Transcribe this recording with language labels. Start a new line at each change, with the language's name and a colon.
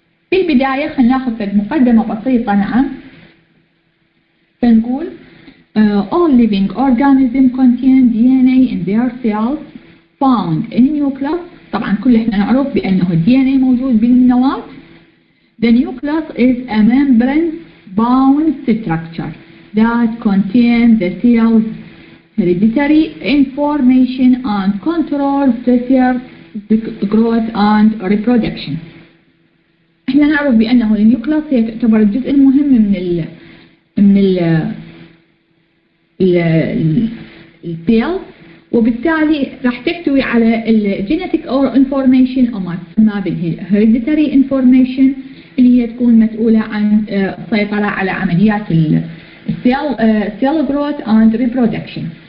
Arabic: في البدايه خلينا ناخذ مقدمه بسيطه. نعم، فنقول
English: all living organisms contain DNA in their cells found in nucleus.
Arabic: طبعا كل احنا نعرف بانه الدي ان اي موجود بالنواة.
English: The nucleus is a membrane-bound structure that contains the cell's hereditary information and controls the cell's growth and reproduction.
Arabic: احنا نعرف بانه النيوكلاس هي تعتبر الجزء المهم من ال من ال ال ال ال وبالتالي راح تحتوي على الـ genetic information أو ما تسمى بالـ hereditary information اللي هي تكون مسؤولة عن السيطرة على عمليات الـ
English: cell growth and reproduction.